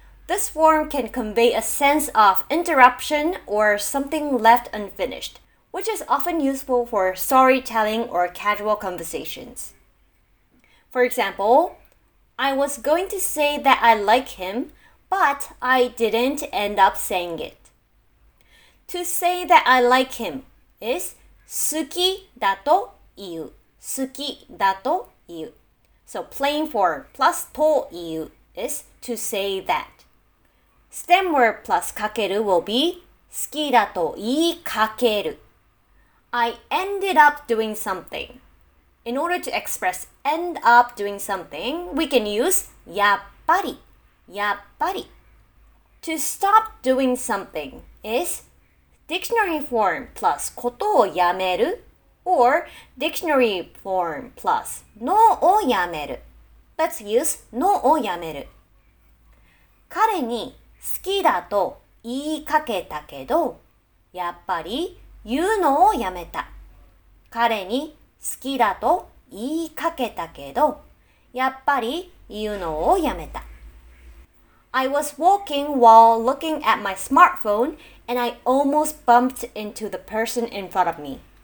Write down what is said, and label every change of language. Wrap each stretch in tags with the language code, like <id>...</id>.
<en>This form can convey a sense of interruption or something left unfinished, which is often useful for storytelling or casual conversations. For example, I was going to say that I like him, but I didn't end up saying it. To say that I like him is</en> <ja>好きだと言う。好きだと言う。</ja> <en>So plain for plus to iu is to say that. Stem word plus kakeru will be</en> <ja>好きだと言いかける。</ja> <en>I ended up doing something. In order to express end up doing something, we can use やっぱり。やっぱり。 To stop doing something is dictionary form plus ことをやめる or dictionary form plus のをやめる。 Let's use のをやめる。</en> <ja>彼に好きだと言いかけたけど、やっぱり言うのをやめた。彼に好きだと言いかけたけど、やっぱり言うのをやめた。</ja> <en>I was walking while looking at my smartphone and I almost bumped into the person in front of me.</en>